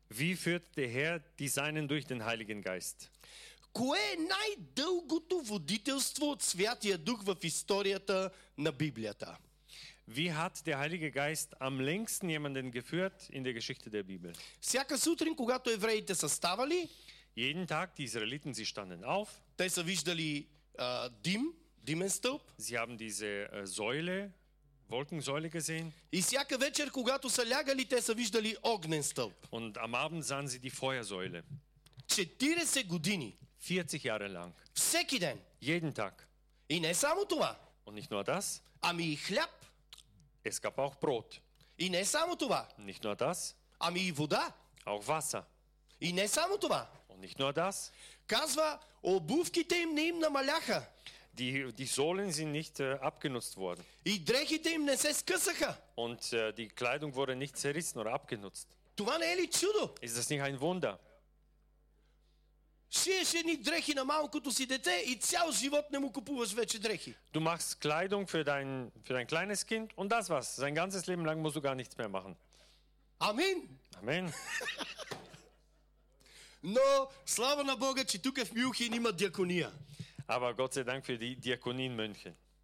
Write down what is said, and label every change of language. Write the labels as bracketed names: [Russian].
[German] Wie führt der Herr die Seinen durch den Heiligen Geist? [Bulgarian] Кое е най-дългото водителство от Святия Дух в историята на Библията? [German] Wie hat der Heilige Geist am längsten jemanden geführt in der Geschichte der Bibel? [Bulgarian] Всяка сутрин, когато евреите са ставали, [German] jeden Tag, die Israeliten, sie standen auf, [Bulgarian] те са виждали димен стълб, [German] sie haben diese Säule, Wolkensäule gesehen. [Bulgarian] И всяка вечер, когато са лягали, те са виждали огнен стълб. [German] Und am Abend sahen sie die Feuersäule. [Bulgarian] 40 години. [German] 40 Jahre lang. [Bulgarian] Всеки ден. [German] Jeden Tag. [Bulgarian] И не само това. [German] Und nicht nur das. [Bulgarian] Ами и хляб. [German] Es gab auch Brot. [Bulgarian] И не само това. [German] Nicht nur das. [Bulgarian] Ами и вода. [German] Auch Wasser. [Bulgarian] И не само това. [German] Und nicht nur das. [Bulgarian] Казва, обувките им не им намаляха. [German] Die Sohlen sind nicht abgenutzt worden. [Bulgarian] И дрехите им не се скъсаха. [German] Und die Kleidung wurde nicht zerrissen oder abgenutzt. [Bulgarian] Това не е ли чудо? [German] Ist das nicht ein Wunder? [Bulgarian] Шиеше ни дрехи на малкото си дете и цял живот не му купуваш вече дрехи. [German] Du machst Kleidung für dein kleines Kind und das war's. Sein ganzes Leben lang musst du gar nichts mehr machen. Amen. Amen. [Bulgarian] Но слава на Бога, че тук в Мюнхен има диакония. [German] Aber Gott sei Dank für die Diakonie in München.